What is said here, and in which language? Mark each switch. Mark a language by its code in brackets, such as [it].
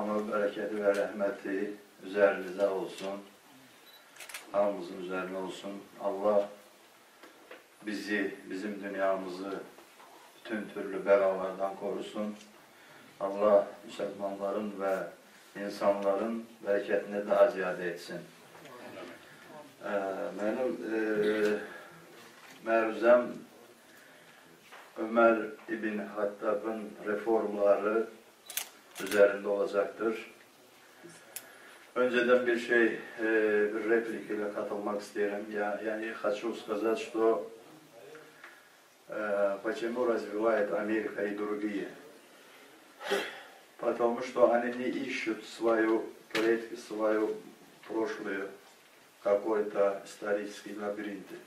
[az] bərəkəti və rəhməti üzərinizə olsun. Hamımızın üzərinə olsun. Allah bizi, bizim dünyamızı bütün türlü bəlalardan qorusun. Allah müsəlmanların və insanların bərəkətini daha ziyadə etsin. Mənim məruzəm [tr] Ömər İbn Hattab'ın reformları üzerinde olacaktır. Önceden bir şey, bir replik ile katılmak isterim. [ru] Yani хочу сказать, что почему развивает Америка и другие? Потому что они не ищут свою предки, свою прошлую, какой-то исторический лабиринт.